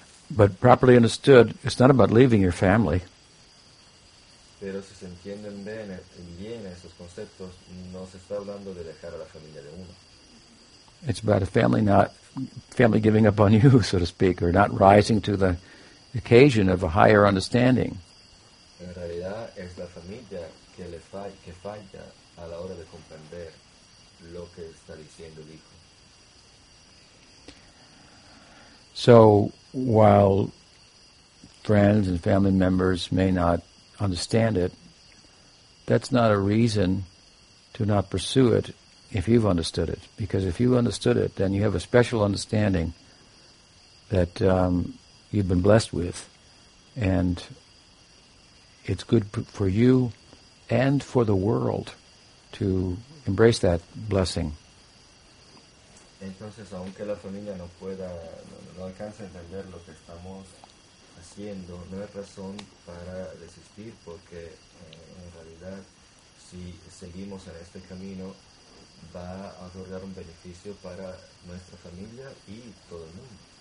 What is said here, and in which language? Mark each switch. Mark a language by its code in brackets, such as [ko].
[en] But properly understood, it's not about leaving your family. [es] Pero si se entienden bien esos conceptos, no se está hablando de dejar a la familia de uno. [en] It's about a family not family giving up on you, so to speak, or not rising to the occasion of a higher understanding. [es] En realidad es la familia que le falla a la hora de comprender lo que está diciendo el hijo. [en] So while friends and family members may not understand it, that's not a reason to not pursue it if you've understood it. Because if you understood it, then you have a special understanding that you've been blessed with, and it's good for you and for the world to embrace that blessing. [es] Entonces, aunque la familia no pueda, no alcance a entender lo que estamos haciendo, no hay razón para desistir, porque en realidad, si seguimos en este camino, va a otorgar un beneficio para nuestra familia y todo el mundo.